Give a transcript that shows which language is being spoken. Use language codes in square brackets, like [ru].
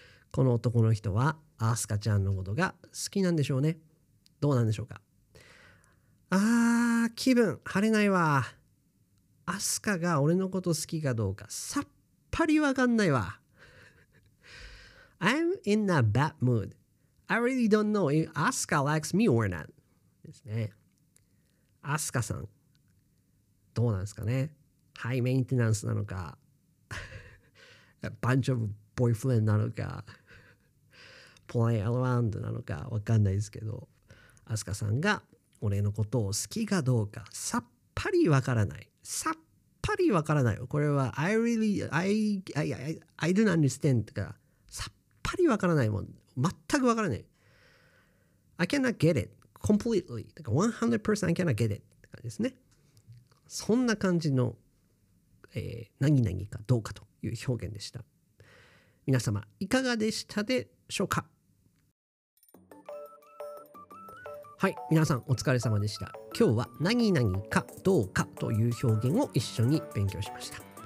[ja] この男の人はアスカちゃんのことが好きなんでしょうね。どうなんでしょうか。ああ、気分晴れないわ。アスカが俺のこと好きかどうかさっぱりわかんないわ。 [en] I'm in a bad mood. I really don't know if Asuka likes me or not. [ja] ですね。アスカさん、どうなんですかね。ハイメンテナンスなのか、バンチョブボイフレンなのか、プレイアラウンドなのかわかんないですけど、アスカさんが俺のことを好きかどうかさっぱりわからない。さっぱりわからない。これは I really I don't understand とか、さっぱりわからないもん。全くわからない。 [en] I cannot get it completely. 100% I cannot get it って感じですね。 [ja] そんな感じの、何々かどうかという表現でした。皆様いかがでしたでしょうか。はい、皆さんお疲れ様でした。今日は何々かどうかという表現を一緒に勉強しました。